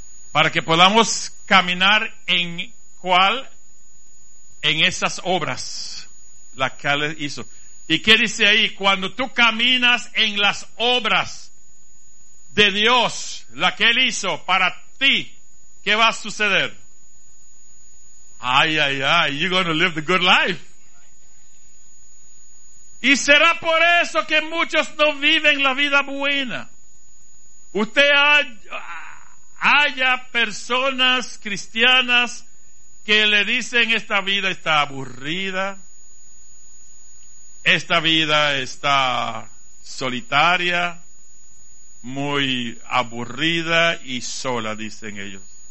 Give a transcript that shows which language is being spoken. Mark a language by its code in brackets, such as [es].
[es] Para que podamos caminar en cuál, en esas obras, la que él hizo. ¿Y qué dice ahí? Cuando tú caminas en las obras de Dios, la que él hizo para ti, ¿qué va a suceder? [en] Ay, ay, ay, you're going to live the good life. [es] Y será por eso que muchos no viven la vida buena. Usted haya personas cristianas que le dicen esta vida está aburrida, esta vida está solitaria, muy aburrida y sola, dicen ellos.